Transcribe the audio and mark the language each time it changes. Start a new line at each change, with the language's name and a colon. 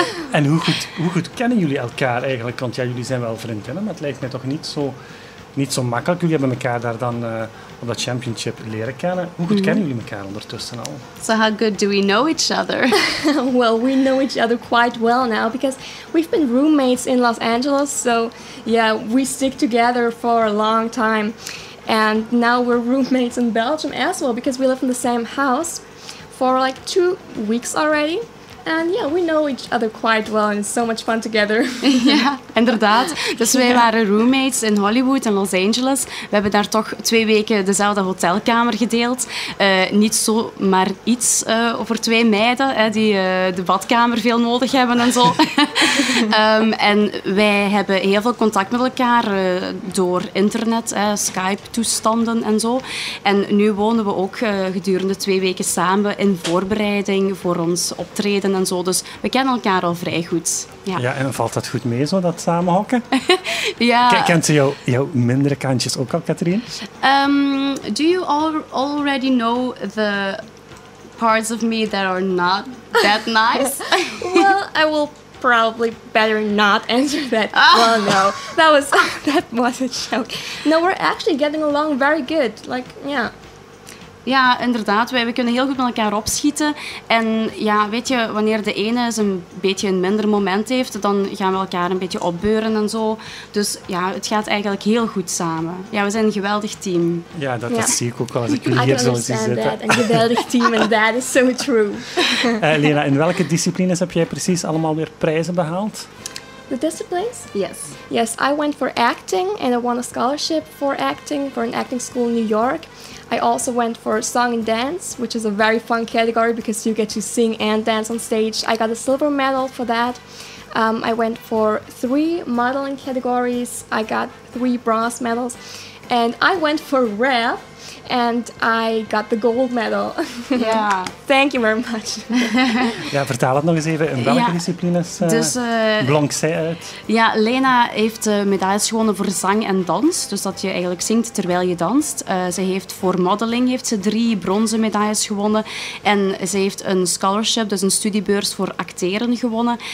Dutch: En hoe goed kennen jullie elkaar eigenlijk? Want ja, jullie zijn wel vriendinnen, maar het lijkt mij toch niet zo makkelijk. Jullie hebben elkaar daar dan op dat championship leren kennen. Hoe goed kennen jullie elkaar ondertussen al?
English: So how good do we know each other? Well, we know each other quite well now because we've been roommates in Los Angeles. So yeah, we stick together for a long time. And now we're roommates in Belgium as well because we live in the same house for like 2 weeks already. And yeah, we know each other quite well and it's so much fun together.
Dutch: Ja, inderdaad. Dus wij waren roommates in Hollywood en Los Angeles. We hebben daar toch 2 weken dezelfde hotelkamer gedeeld. Niet zo maar iets over 2 meiden die de badkamer veel nodig hebben en zo. En wij hebben heel veel contact met elkaar door internet, Skype-toestanden en zo. En nu wonen we ook gedurende 2 weken samen in voorbereiding voor ons optreden. En zo. Dus we kennen elkaar al vrij goed. Ja, ja, en valt dat goed mee, zo, dat samenhokken? Ja. Kent ze jouw mindere kantjes ook al, Katrien?
English: Do you already know the parts of me that are not that nice? Well, I will probably better not answer that. Well, no. That was a joke. No, we're actually getting along very good. Like, yeah.
Dutch: Ja, inderdaad. We kunnen heel goed met elkaar opschieten. En ja, weet je, wanneer de ene is een beetje een minder moment heeft, dan gaan we elkaar een beetje opbeuren en zo. Dus ja, het gaat eigenlijk heel goed samen. Ja, we zijn een geweldig team. Ja, dat zie ik ook als ik jullie hier zo zie zitten. That. Een geweldig team, en dat is
English: so true.
Dutch: Lena, in welke disciplines heb jij precies allemaal weer prijzen behaald?
English: The disciplines? Yes. Yes, I went for acting and I won a scholarship for acting for an acting school in New York. I also went for song and dance, which is a very fun category because you get to sing and dance on stage. I got a silver medal for that. I went for 3 modeling categories. I got 3 bronze medals. And I went for rap and I got the gold medal. Yeah. Thank you very much.
Dutch: Ja, vertaal het nog eens even. In welke disciplines blonk zij uit? Ja, Lena heeft medailles gewonnen voor zang en dans. Dus dat je eigenlijk zingt terwijl je danst. Ze heeft voor modeling 3 bronzen medailles gewonnen. En ze heeft een scholarship, dus een studiebeurs voor acteren gewonnen.